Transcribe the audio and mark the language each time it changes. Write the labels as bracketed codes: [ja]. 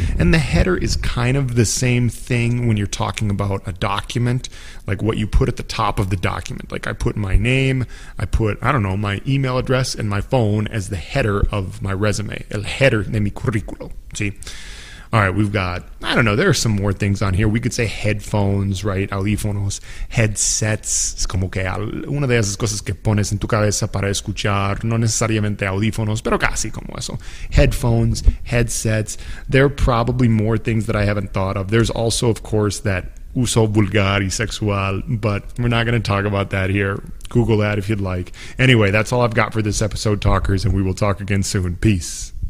[en] And the header is kind of the same thing when you're talking about a document, like what you put at the top of the document. Like I put my name, I put, I don't know, my email address and my phone as the header of my resume. El header de mi currículo. See? All right, we've got, I don't know, there are some more things on here. We could say headphones, right? [es] Audífonos, headsets. Es como que una de esas cosas que pones en tu cabeza para escuchar. No necesariamente audífonos, pero casi como eso. Headphones, headsets. [en] There are probably more things that I haven't thought of. There's also, of course, that uso vulgar y sexual, but we're not going to talk about that here. Google that if you'd like. Anyway, that's all I've got for this episode, talkers, and we will talk again soon. Peace.